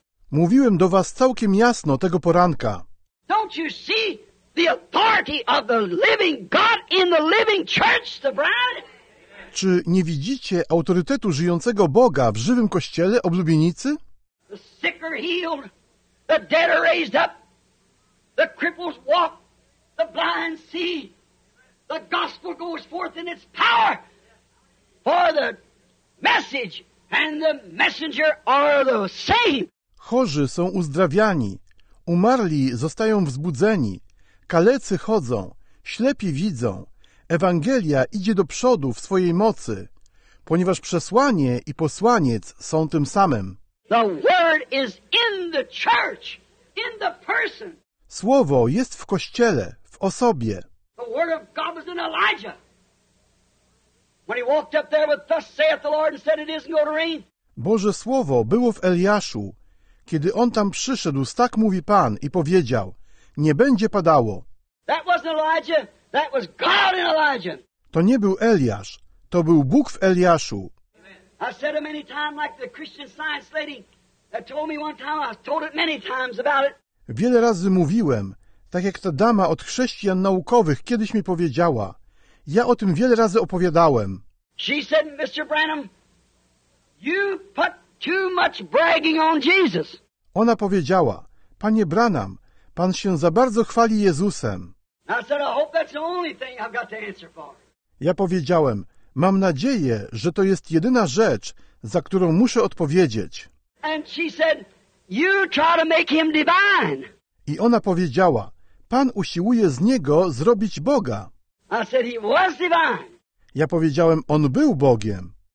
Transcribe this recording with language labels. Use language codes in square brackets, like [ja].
[pl] Mówiłem do was całkiem jasno tego poranka. [en] Don't you see the authority of the living God in the living church, the bride? [pl] Czy nie widzicie autorytetu żyjącego Boga w żywym kościele oblubienicy? [en] The sick are healed, the dead are raised up, the cripples walk, the blind see, the gospel goes forth in its power, for the message and the messenger are the same. [pl] Chorzy są uzdrawiani, umarli zostają wzbudzeni, kalecy chodzą, ślepi widzą, Ewangelia idzie do przodu w swojej mocy, ponieważ przesłanie i posłaniec są tym samym. [en] The word is in the church, in the person. [pl] Słowo jest w kościele, w osobie. [en] The word of God was in Elijah. When he walked up there with thus saith the Lord and said it isn't going to rain. [pl] Boże słowo było w Eliaszu. Kiedy on tam przyszedł, z tak mówi Pan i powiedział, nie będzie padało. [en] That wasn't Elijah, that was God in Elijah. [pl] To nie był Eliasz, to był Bóg w Eliaszu. [en] I said it many times like the Christian Science lady that told me one time, I've told it many times about it. [pl] Wiele razy mówiłem, tak jak ta dama od chrześcijan naukowych kiedyś mi powiedziała. Ja o tym wiele razy opowiadałem. [en] She said, Mr. Branham, you put too much bragging on Jesus. [pl] Ona powiedziała, Panie Branham, Pan się za bardzo chwali Jezusem. [en] I said, I hope that's the only thing I've got to answer for. [pl] Ja powiedziałem, mam nadzieję, że to jest jedyna rzecz, za którą muszę odpowiedzieć. [en] And she said, you try to make him divine. [pl] I ona powiedziała, Pan usiłuje z niego zrobić Boga. [en] I said, he was divine. [pl] Ja powiedziałem, on był Bogiem.